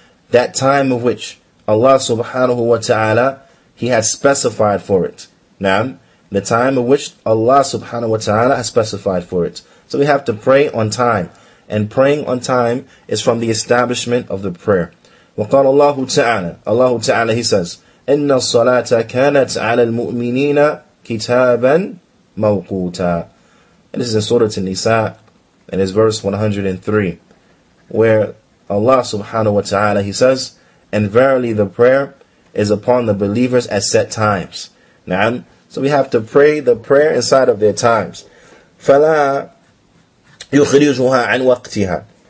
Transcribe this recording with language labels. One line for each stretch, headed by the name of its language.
English: That time of which Allah subhanahu wa ta'ala, he has specified for it. Naam. The time of which Allah subhanahu wa ta'ala has specified for it. So we have to pray on time. And praying on time is from the establishment of the prayer.
Arabic: وَقَالَ اللَّهُ تَعَالَى.
English: Allah ta'ala, he says,
Arabic: إِنَّ الصَّلَاةَ كَانَتْ عَلَى الْمُؤْمِنِينَ كِتَابًا مَوْقُوتًا.
English: And this is in Surah An-Nisa, and it's verse 103, where Allah subhanahu wa ta'ala, he says, and verily the prayer is upon the believers at set times. Na'am. So we have to pray the prayer inside of their times.
Arabic: فَلَا يُخْرِجُهَا عَنْ وَقْتِهَا.